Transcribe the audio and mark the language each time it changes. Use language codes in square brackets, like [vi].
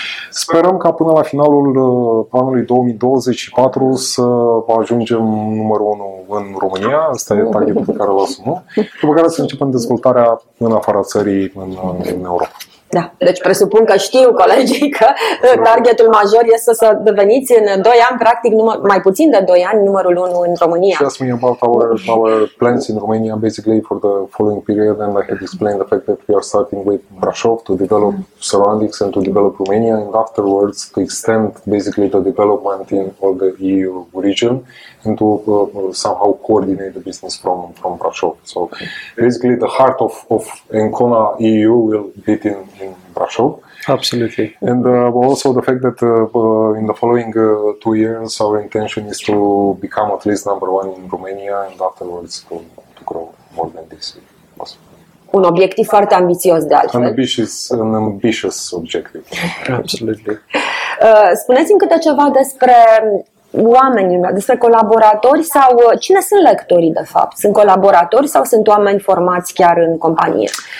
[ro] Sperăm ca până la finalul anului 2024 să ajungem numărul 1 în România. Asta e targetul pe care îl asumăm. După care să începem dezvoltarea în afara țării, în Europa. Da. Deci presupun că știu, colegii, că targetul major este să deveniți în 2 ani, practic mai puțin de 2 ani, numărul 1 în România. [en] She asked me about our plans in Romania, basically for the following period, and I had explained the fact that we are starting with Brașov to develop surroundings and to develop Romania, and afterwards to extend basically the development in all the EU region and to somehow coordinate the business from Brașov. So basically the heart of Kona EU will be in Brașov. Absolutely. And also the fact that in the following 2 years our intention is to become at least number one in Romania and afterwards to grow more than this. [ro] Un obiectiv foarte ambițios, de altfel. [en] An ambitious objective. Absolutely. [ro] Spuneți-mi câte ceva despre oamenii, despre colaboratori sau cine sunt lectorii, de fapt? Sunt colaboratori sau sunt oameni formați chiar în companie?